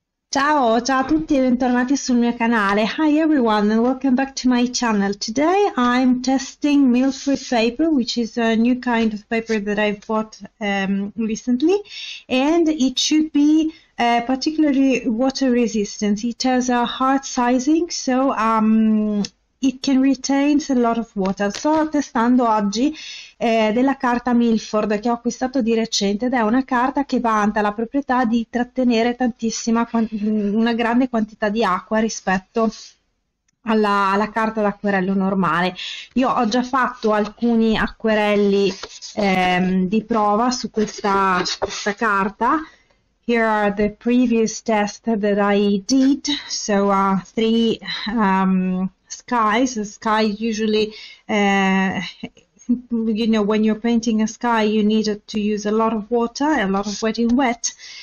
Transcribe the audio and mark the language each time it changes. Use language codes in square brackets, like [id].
[it] Ciao, ciao a tutti e bentornati sul mio canale. [en] Hi everyone and welcome back to my channel. Today I'm testing meal-free paper, which is a new kind of paper that I've bought recently, and it should be particularly water-resistant. It has a hard sizing, so it can retain a lot of water. [it] Sto testando oggi della carta Milford che ho acquistato di recente ed è una carta che vanta la proprietà di trattenere tantissima, una grande quantità di acqua rispetto alla carta d'acquerello normale. Io ho già fatto alcuni acquerelli di prova su questa carta. [en] Here are the previous tests that I did. So, three skies. A sky usually, you know, when you're painting a sky, you need to use a lot of water, a lot of wetting wet.